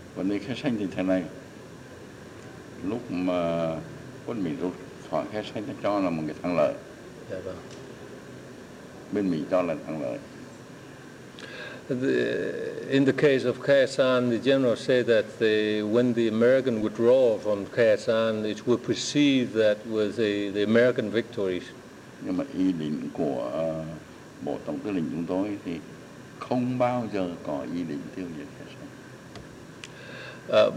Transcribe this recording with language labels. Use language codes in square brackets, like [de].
[vi] Vấn đề Khe San thì thế này, lúc mà quân Mỹ rút khỏi Khe San nó cho là một cái thắng lợi. Dạ vâng. Bên Mỹ cho là thắng lợi. [en] In the case of Khe San, the general said that when the American withdrawal from Khe San, it was perceived that was the American victory. [vi] Nhưng mà ý định của Bộ Tổng tư lệnh chúng tôi thì không bao giờ có ý định tiêu diệt Khe San.